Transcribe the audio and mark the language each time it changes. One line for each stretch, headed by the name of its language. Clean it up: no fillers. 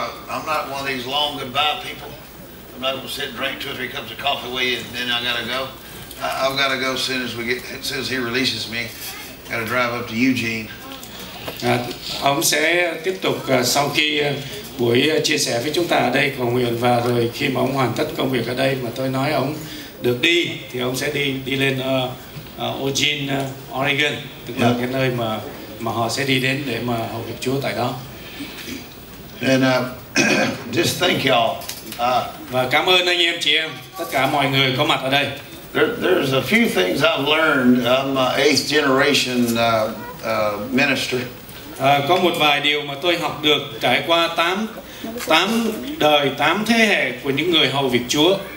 English: I'm not one of these long goodbye people. I'm not going to sit and drink two or three cups of coffee with you, and then I got to go. I've got to go as soon as he releases me. Got to drive up to Eugene.
Vietnamese: Ông sẽ tiếp tục sau khi buổi chia sẻ với chúng ta ở đây cầu nguyện và rồi khi mà ông hoàn tất công việc ở đây mà tôi nói ông được đi thì ông sẽ đi lên Eugene, Oregon, tức là cái nơi mà họ sẽ đi đến để mà hầu việc Chúa tại đó.
English: And just thank y'all.
Vietnamese: Và cảm ơn anh em chị em tất cả mọi người có mặt ở đây.
English: There's a few things I've learned. I'm an eighth generation minister.
Vietnamese: Có một vài điều mà tôi học được trải qua tám đời, tám thế hệ của những người hầu việc Chúa.